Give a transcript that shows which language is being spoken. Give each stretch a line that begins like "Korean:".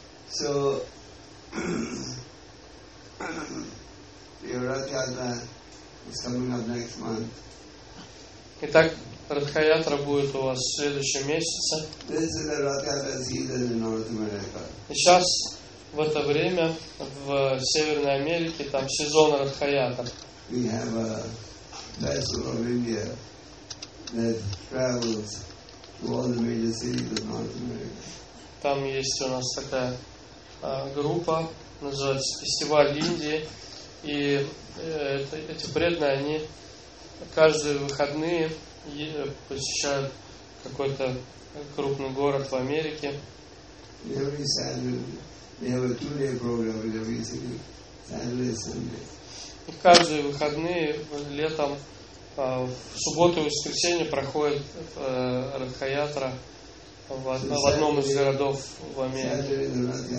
English: So, Ратха-ятра is coming up next month.
Russian: Итак, Ратха-ятра будет у вас в следующем месяце.
English: This is the Ратха-ятра season in North America.
Russian: И сейчас в это время в Северной Америке там сезон Ратха-ятр.
English: We have a festival of India that travels to all the major cities of North America.
Russian: Там есть у нас такая группа, называется Фестиваль Индии, и эти преданные, они каждые выходные посещают какой-то крупный город в Америке.
English: Every Saturday, they have a two-day program with every city, Saturday and Sunday.
Russian: Каждые выходные летом, в субботу и воскресенье проходит Радхаятра в одном из городов в Америке.